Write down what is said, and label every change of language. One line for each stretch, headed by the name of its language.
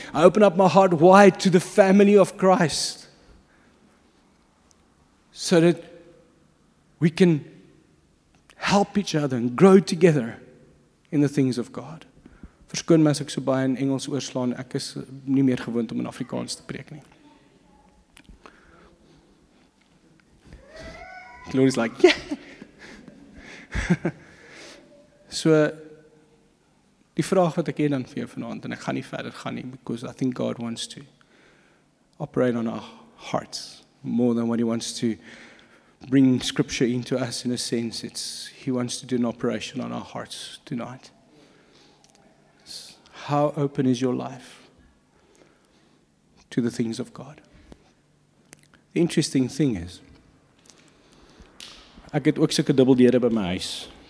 English: I open up my heart wide to the family of Christ so that we can help each other and grow together in the things of God.
Afrikaans: Verskoon my as ek so baie in Engels oorslaan, ek is nie meer gewoond om in Afrikaans te preek nie.
English: Glory's like, yeah!
Afrikaans: So, die vraag wat ek hier dan vir jou vanavond, en ek gaan nie verder gaan nie,
English: because I think God wants to operate on our hearts more than what He wants to bring scripture into us in a sense. He wants to do an operation on our hearts tonight. How open is your life to the things of God? The interesting thing is,
Afrikaans: ek het ook sulke dubbel deure by my huis.